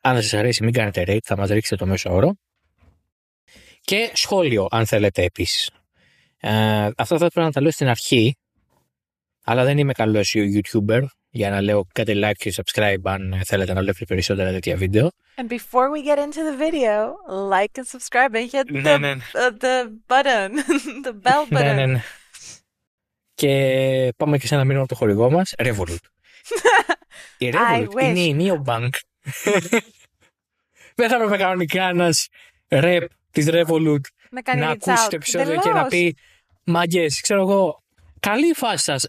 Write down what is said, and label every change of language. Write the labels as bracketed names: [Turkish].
[Greek] Αν δεν σας αρέσει, μην κάνετε rate, θα μας ρίξετε το μέσο όρο. Και σχόλιο, αν θέλετε επίσης. Αυτό θα πρέπει να τα λέω στην αρχή, αλλά δεν είμαι καλός YouTuber για να λέω κάντε like και subscribe αν θέλετε να βλέπετε περισσότερα τέτοια βίντεο. [English] And before we get into the video, like and subscribe and hit the button, the bell button. [Greek] Ναι. Και πάμε και σε ένα μήνυμα από το χορηγό μας, Revolut. Η Revolut είναι η neobank. Δεν θα έπρεπε κανονικά ένας rep της Revolut να ακούσει το επεισόδιο και να πει μάγκες, ξέρω εγώ, καλή φάση σας.